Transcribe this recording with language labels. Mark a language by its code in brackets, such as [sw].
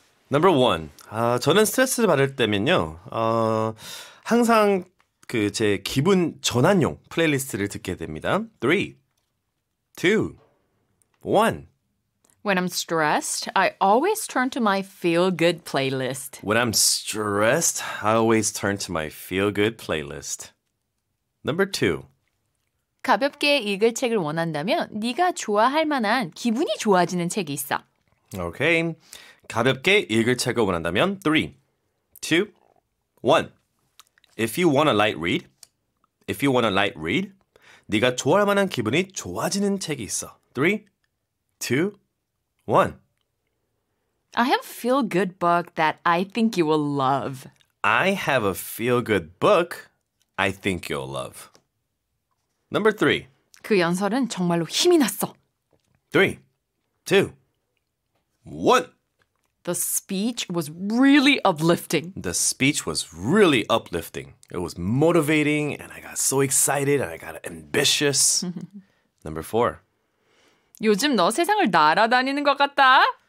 [en] Number one, [ko] 저는 스트레스를 받을 때면요, 항상 그 제 기분 전환용 플레이리스트를 듣게 됩니다. [en] Three, two, one. When I'm stressed, I always turn to my feel-good playlist. When I'm stressed, I always turn to my feel-good playlist. Number two. [ko] 가볍게 읽을 책을 원한다면 네가 좋아할 만한 기분이 좋아지는 책이 있어. [en] Okay. [ko] 가볍게 읽을 책을 원한다면 [en] 3, 2, 1. If you want a light read, if you want a light read, [ko] 네가 좋아할 만한 기분이 좋아지는 책이 있어. [en] 3, 2, 1. I have a feel-good book that I think you will love. I have a feel-good book I think you'll love. Number 3. [ko] 그 연설은 정말로 힘이 났어. [en] 3, 2, 1. The speech was really uplifting. The speech was really uplifting. It was motivating, and I got so excited, and I got ambitious. Number four. [ko] 요즘 너 세상을 날아다니는 것 같다.